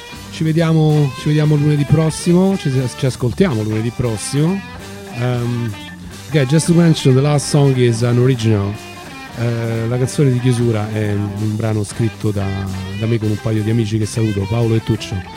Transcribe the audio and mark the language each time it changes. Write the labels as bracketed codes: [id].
[it] Ci vediamo lunedì prossimo, ci ascoltiamo lunedì prossimo. [en] Okay, just to mention, the last song is an original. [it] La canzone di chiusura è un brano scritto da me con un paio di amici che saluto, Paolo e Tuccio.